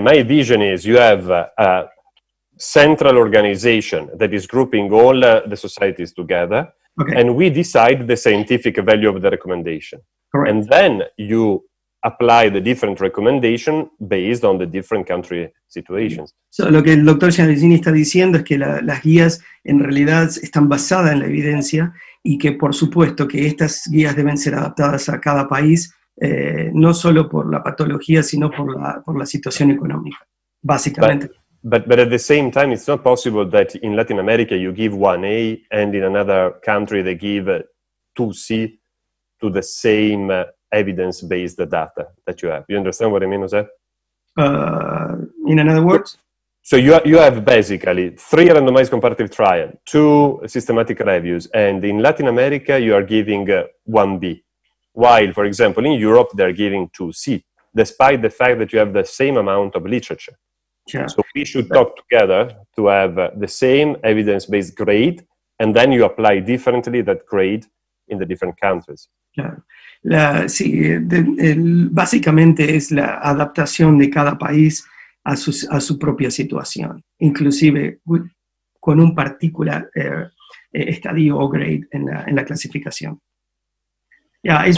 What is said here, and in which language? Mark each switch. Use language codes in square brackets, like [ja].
[en] My vision is you have central organization that is grouping all the societies together, okay. And we decide the scientific value of the recommendation. Correct. And then you apply the different recommendation based on the different country situations. [es] So, lo que el doctor Giannesini está diciendo es que las guías en realidad están basadas en la evidencia y que por supuesto que estas guías deben ser adaptadas a cada país, no solo por la patología, sino por la situación económica, básicamente. [en] But at the same time, it's not possible that in Latin America you give 1A and in another country they give 2C to the same evidence-based data that you have. You understand what I mean, Jose? In other words? So you have basically 3 randomized comparative trials, 2 systematic reviews, and in Latin America you are giving 1B. While, for example, in Europe they are giving 2C, despite the fact that you have the same amount of literature. Yeah. So we should talk together to have the same evidence-based grade, and then you apply differently that grade in the different countries. Yeah. [es] Básicamente es la adaptación de cada país a su propia situación, inclusive con un particular estadio o grade en la clasificación. [en] Yeah, it's